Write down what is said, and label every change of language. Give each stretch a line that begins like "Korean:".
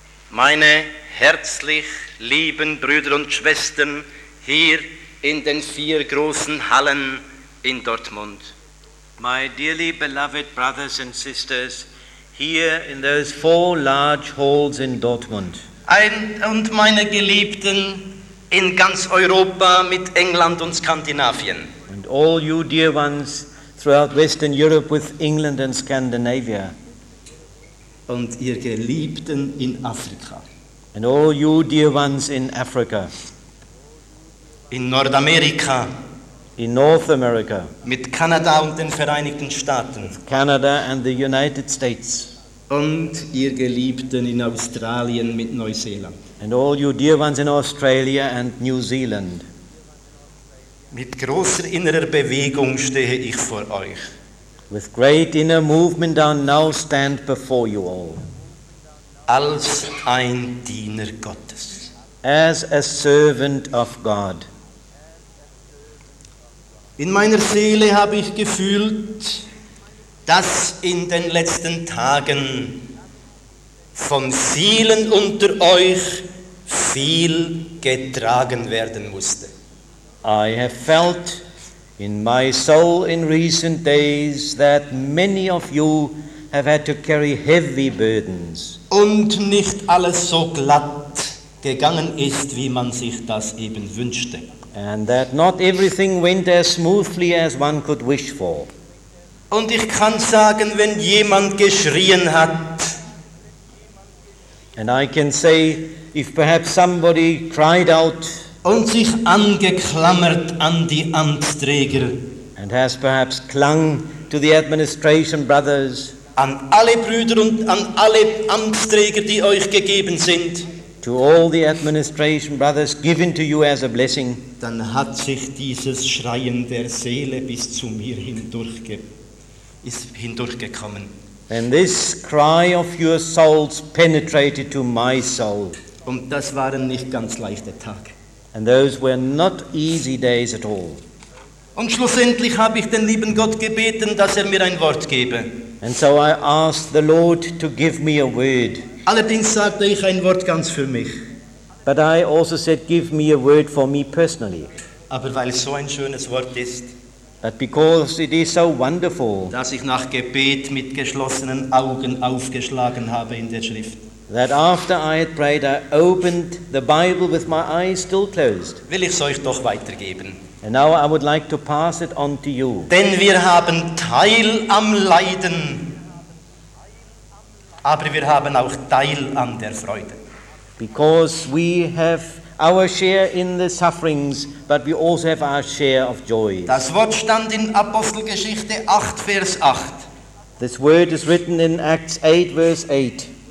German: Meine herzlich lieben Brüder und Schwestern hier in den vier großen Hallen in Dortmund.
English: My dearly beloved brothers and sisters here in those four large halls in Dortmund.
German: Und meine Geliebten in ganz Europa mit England und Skandinavien.
English: And all you dear ones throughout Western Europe with England and Scandinavia.
German: Und ihr Geliebten in Afrika.
English: And all you dear ones in Africa.
German: In Nordamerika.
English: In North America.
German: Mit Kanada und den Vereinigten Staaten.
English: With Canada and the United States.
German: Und ihr Geliebten in Australien mit Neuseeland.
English: And all you dear ones in Australia and New Zealand.
German: Mit großer innerer Bewegung stehe ich vor euch.
English: With great inner movement I now stand before you all.
German: Als ein Diener Gottes.
English: As a servant of God.
German: In meiner Seele habe ich gefühlt, dass in den letzten Tagen von vielen unter euch viel getragen werden musste.
English: I have felt in my soul in recent days that many of you have had to carry heavy burdens.
German: Und nicht alles so glatt gegangen ist, wie man sich das eben wünschte.
English: And that not everything went as smoothly as one could wish for.
German: Und ich kann sagen, wenn jemand geschrien hat.
English: And I can say, if perhaps somebody cried out.
German: Und sich angeklammert an die Amtsträger.
English: And has perhaps clung to the administration brothers.
German: An alle Brüder und an alle Amtsträger, die euch gegeben sind.
English: To all the administration brothers given to you as a blessing.
German: Dann hat sich dieses Schreien der Seele bis zu mir hindurchgekommen.
English: And this cry of your souls penetrated to my soul.
German: Und das waren nicht ganz leichte Tage.
English: And those were not easy days at all.
German: Und schlussendlich habe ich den lieben Gott gebeten, dass er mir ein Wort gebe.
English: And so I asked the Lord to give me a word.
German: Allerdings sagte ich ein Wort ganz für mich.
English: But I also said, give me a word for me personally.
German: Aber weil es so ein schönes Wort ist,
English: but because it is so wonderful,
German: dass ich nach Gebet mit geschlossenen Augen aufgeschlagen habe in der Schrift,
English: that after I had prayed, I opened the Bible with my eyes still closed.
German: Will ich's euch doch weitergeben.
English: And now I would like to pass it on to you.
German: Denn wir haben Teil am Leiden, aber wir haben auch Teil an der Freude.
English: Because we have our share in the sufferings, but we also have our share of joy.
German: Das Wort stand in Apostelgeschichte 8, Vers 8.
English: This word is written in Acts 8, Verse 8.